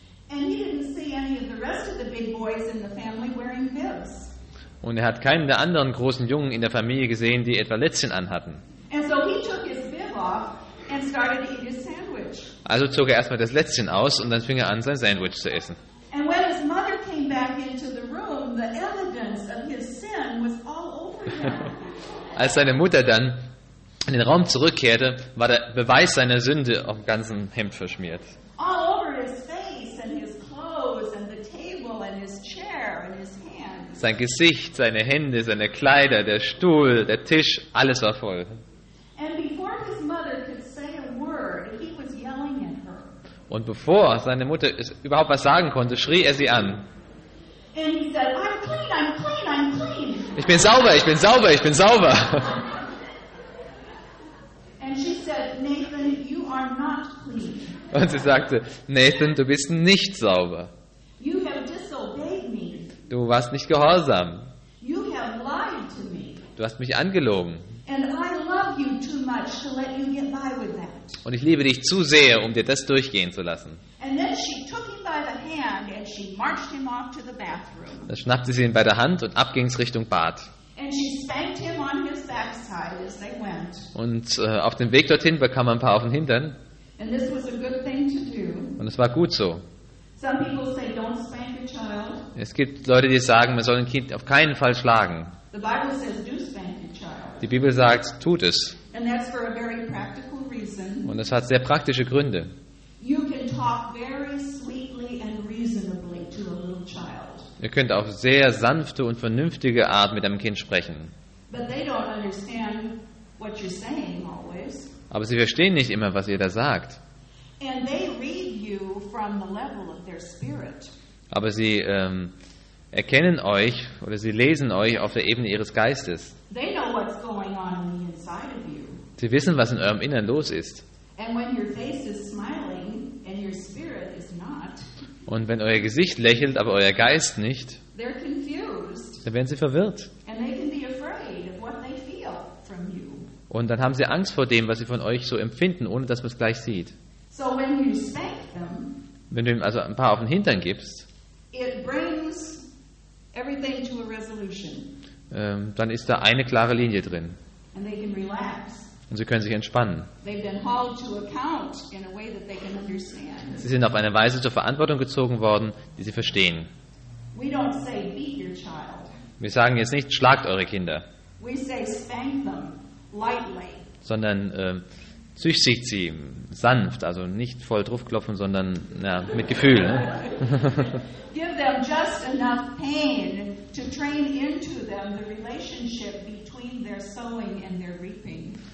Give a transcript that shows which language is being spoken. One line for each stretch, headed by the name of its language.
English: And he didn't see any of the rest of the big boys in the family wearing bibs.
German: Und er hat keinen der anderen großen Jungen in der Familie gesehen, die etwa Lätzchen anhatten.
English: And so he took his bib off and started eating his sandwich.
German: Also zog er erstmal das Lätzchen aus und dann fing er an, sein Sandwich zu essen.
English: And when his mother came back into the room, the evidence of his sin was all over him.
German: Als seine Mutter dann in den Raum zurückkehrte, war der Beweis seiner Sünde auf dem ganzen Hemd verschmiert.
English: All over his face and his clothes and the table and his chair and his hands.
German: Sein Gesicht, seine Hände, seine Kleider, der Stuhl, der Tisch, alles war voll.
English: And before his mother could say a word, he was yelling at her.
German: Und bevor seine Mutter überhaupt was sagen konnte, schrie er sie an.
English: And he said, I'm clean, I'm clean, I'm clean.
German: Ich bin sauber, ich bin sauber, ich bin sauber.
English: And she said, Nathan, you are not clean.
German: Und sie sagte, Nathan, du bist nicht sauber.
English: You have disobeyed me.
German: Du warst nicht gehorsam.
English: You have lied to me.
German: Du hast mich angelogen.
English: And I love you too much to let you get by with that.
German: Und ich liebe dich zu sehr, um dir das durchgehen zu lassen.
English: And then she took him by the hand and she marched him off to the bathroom.
German: Da schnappte sie ihn bei der Hand und ab ging's Richtung Bad.
English: And she spanked him on his backside as they went.
German: Und auf dem Weg dorthin bekam er ein paar auf den Hintern.
English: And this was a good thing to do.
German: Und es war gut so.
English: Some people say don't spank a child.
German: Es gibt Leute, die sagen, man soll ein Kind auf keinen Fall schlagen.
English: The Bible says do spank a child.
German: Die Bibel sagt, tut es.
English: And that's for a very practical reason.
German: Und das hat sehr praktische Gründe.
English: You can talk very sweetly and reasonably to a little child.
German: Ihr könnt auf sehr sanfte und vernünftige Art mit einem Kind sprechen.
English: But they don't understand what you're saying always.
German: Aber sie verstehen nicht immer, was ihr da sagt.
English: And they read you from the level of their spirit.
German: Aber sie erkennen euch oder sie lesen euch auf der Ebene ihres Geistes.
English: They know what's going on in the inside of you.
German: Sie wissen, was in eurem Inneren los ist.
English: And when your face is smiling and your spirit is not,
German: und wenn euer Gesicht lächelt, aber euer Geist nicht,
English: they're confused.
German: Dann werden sie verwirrt.
English: And they can be afraid of what they feel from you.
German: Und dann haben sie Angst vor dem, was sie von euch so empfinden, ohne dass man es gleich sieht.
English: So when you spank them,
German: wenn du ihm also ein paar auf den Hintern gibst,
English: it brings everything to a resolution.
German: Dann ist da eine klare Linie drin.
English: And they can relax.
German: Und sie können sich entspannen.
English: They've been hauled to account in a way that they can understand.
German: Sie sind auf eine Weise zur Verantwortung gezogen worden, die sie verstehen.
English: We don't say, beat your child.
German: Wir sagen jetzt nicht, schlagt eure Kinder.
English: We say, spank them lightly.
German: Sondern züchtigt sie sanft, also nicht voll draufklopfen, sondern ja, mit Gefühl.
English: Give them just enough pain to train into them the relationship between their sowing and their reaping.